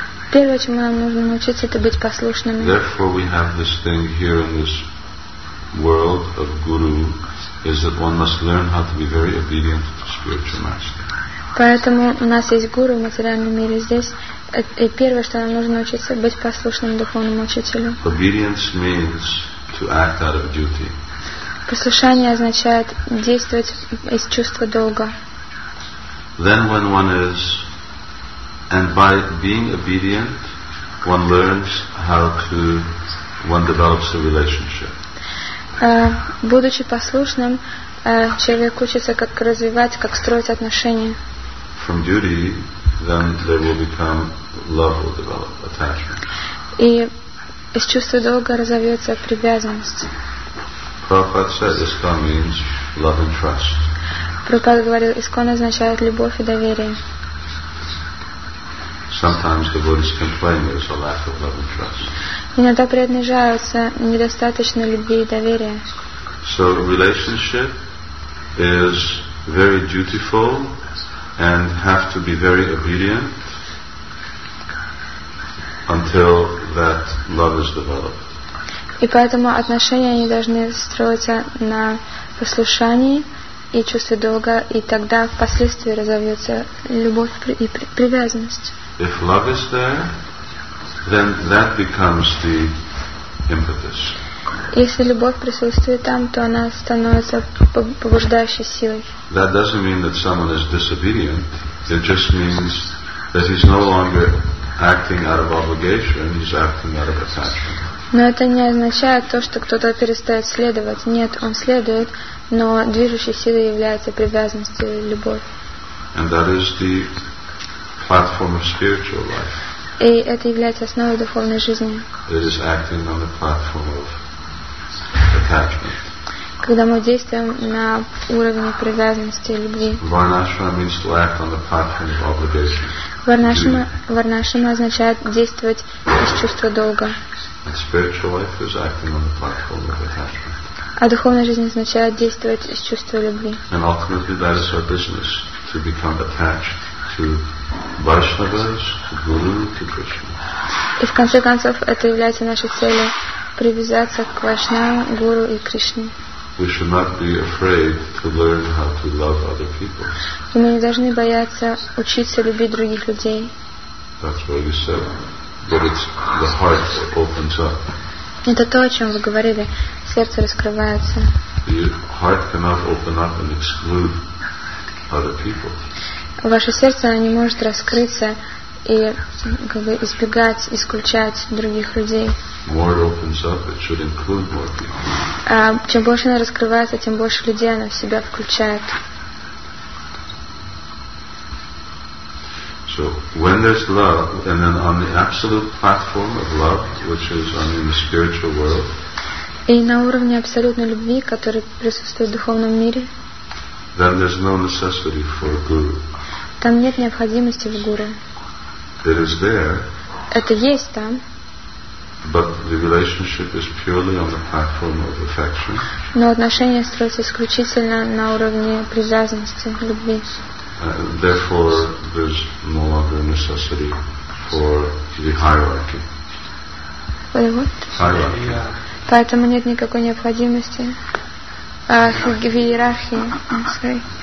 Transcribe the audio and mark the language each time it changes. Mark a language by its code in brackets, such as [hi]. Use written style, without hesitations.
[ru] Первое, чему нам нужно научиться, это быть послушными. [en] Therefore we have this thing here in this world of guru, is that one must learn how to be very obedient to the spiritual master. [ru] Поэтому у нас есть гуру в материальном мире здесь, и первое, что нам нужно научиться, быть послушным духовному учителю. [en] Obedience means to act out of duty. [ru] Послушание означает действовать из чувства долга. [en] Then when one is, and by being obedient, one learns how to, one develops a relationship. [ru] Будучи послушным, человек учится, как развивать, как строить отношения. [en] From duty, then there will become love will develop, attachment. [ru] И из чувства долга разовьется привязанность. [en] Prabhupada said ISKCON means love and trust. [ru] Prabhupada говорил, ISKCON означает любовь и доверие. [en] Sometimes devotees complain there's a lack of love and trust. [ru] Иногда преданные жалуются, недостаточно любви и доверия. [en] So relationship is very dutiful and have to be very obedient until that love is developed. [ru] И поэтому отношения они должны строиться на послушании и чувстве долга, и тогда впоследствии разовьется любовь и привязанность. [en] If love is there, then that becomes the impetus. [ru] Если любовь присутствует там, то она становится побуждающей силой. [en] That doesn't mean that someone is disobedient. It just means that he's no longer acting out of obligation, he's acting out of attachment. [ru] Но это не означает то, что кто-то перестает следовать. Нет, он следует, но движущей силой является привязанность и любовь. [en] And that is the platform of spiritual life. [ru] И это является основой духовной жизни. [en] It is acting on the platform of attachment. [ru] Когда мы действуем на уровне привязанности и любви. [en] Varnashrama means to act on the platform of obligation. [ru] Varnashrama означает действовать из чувства долга. [en] And spiritual life is acting on the platform of attachment. [ru] А духовная жизнь означает действовать из чувства любви. [en] And ultimately, that is our business, to become attached to Vaishnavas, to Guru, to Krishna. [ru] И в конце концов это является нашей целью привязаться к Вайшнавам, Гуру и Кришне. [en] We should not be afraid to learn how to love other people. [ru] И мы не должны бояться учиться любить других людей. [en] That's why we said that it's the heart that opens up. [ru] Это то, о чем вы говорили. Сердце раскрывается. [en] The heart cannot open up and exclude other people. [ru] Ваше сердце не может раскрыться и как бы избегать, исключать других людей. [en] More opens up, it should include more people. [ru] Чем больше она раскрывается, тем больше людей она в себя включает. [en] So when there's love, and then on the absolute platform of love, which is on in the spiritual world. [ru] И на уровне абсолютной любви, который присутствует в духовном мире. [en] Then there's no necessity for a guru. [ru] Там нет необходимости в гуру. [en] It is there. [ru] Это есть там. [en] But the relationship is purely on the platform of affection. [ru] Но отношения строятся исключительно на уровне привязанности, любви. [en] Therefore, there's no longer necessity for the hierarchy. [ru] Поэтому нет никакой необходимости в иерархии.